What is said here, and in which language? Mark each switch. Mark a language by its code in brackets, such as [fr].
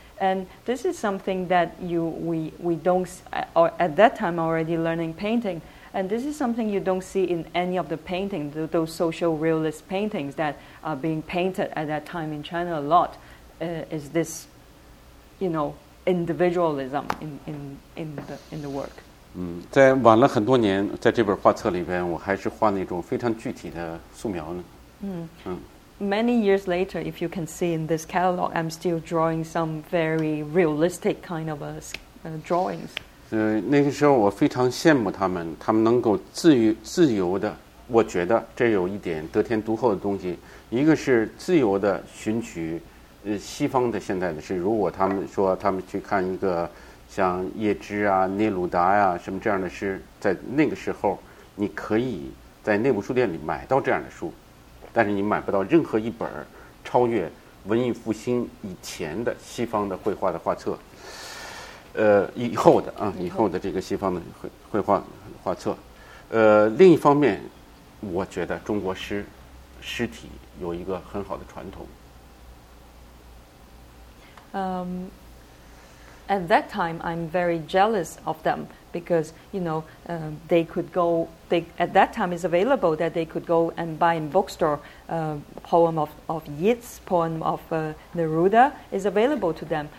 [en] And this is something that we don't, or at that time already learning painting, and this is something you don't see in any of the paintings, those social realist paintings that are being painted at that time in China a lot, is this, you know, individualism in the work. [zh] 在晚了很多年，在这本画册里边，我还是画那种非常具体的素描呢。 [en] Many years later, if you can see in this catalog, I'm still drawing some very realistic kind of drawings. [zh] 那个时候我非常羡慕他们，他们能够自由的，我觉得这有一点得天独厚的东西，一个是自由的寻取西方的现代的诗，如果他们说他们去看一个像叶芝啊、聂鲁达啊什么这样的诗，在那个时候你可以在内部书店里买到这样的书，但是你买不到任何一本超越文艺复兴以前的西方的绘画的画册，以后的这个西方的绘画画册。另一方面，我觉得中国诗体有一个很好的传统。 [en] At that time, I'm very jealous of them because, you know, at that time it's available that they could go and buy in bookstore poem of Yeats, poem of Neruda is available to them.